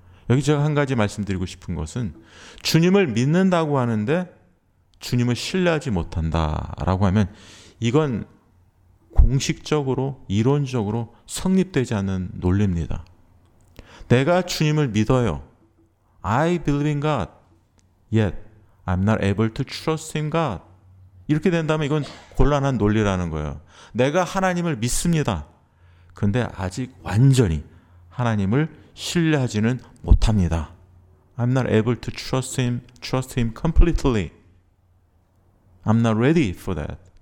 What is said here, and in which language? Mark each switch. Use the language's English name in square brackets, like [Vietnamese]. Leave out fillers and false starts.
[Korean] 여기 제가 한 가지 말씀드리고 싶은 것은 주님을 믿는다고 하는데 주님을 신뢰하지 못한다라고 하면 이건 공식적으로 이론적으로 성립되지 않는 논리입니다. 내가 주님을 믿어요. [English] I believe in God. Yet I'm not able to trust in God. [Korean] 이렇게 된다면 이건 곤란한 논리라는 거예요. 내가 하나님을 믿습니다. 근데 아직 완전히 하나님을 신뢰하지는 못합니다. [English] I'm not able to trust him completely. I'm not ready for that.